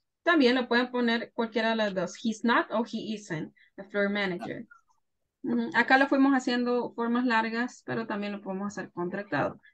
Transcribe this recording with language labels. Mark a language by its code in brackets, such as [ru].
[es] También lo pueden poner cualquiera de las dos. [en] He's not or he isn't a floor manager. [es] Acá lo fuimos haciendo formas largas, pero también lo podemos hacer contractado.